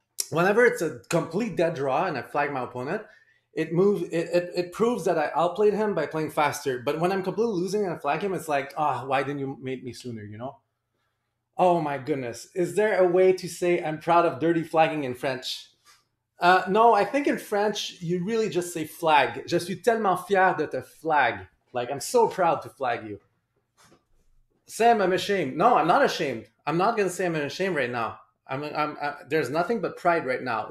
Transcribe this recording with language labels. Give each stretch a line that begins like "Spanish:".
English: Whenever it's a complete dead draw and I flag my opponent, it proves that I outplayed him by playing faster. But when I'm completely losing and I flag him, it's like, oh, why didn't you mate me sooner, you know? Oh my goodness. Is there a way to say I'm proud of dirty flagging in French? No, I think in French you really just say flag.
French: Je suis tellement fier de te flag.
English: Like, I'm so proud to flag you. Sam, I'm ashamed. No, I'm not ashamed. I'm not gonna say I'm ashamed right now. There's nothing but pride right now.